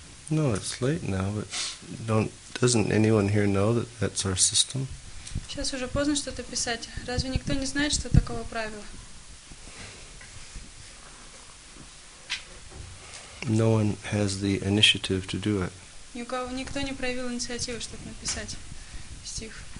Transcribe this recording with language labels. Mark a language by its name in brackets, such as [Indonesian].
[English] No, it's late now, but doesn't anyone here know that that's our system? [Russian] Сейчас уже поздно что-то писать. Разве никто не знает, что такого правила? [English] No one has the initiative to do it. [Russian] Никто не проявил инициативу, чтобы написать стих.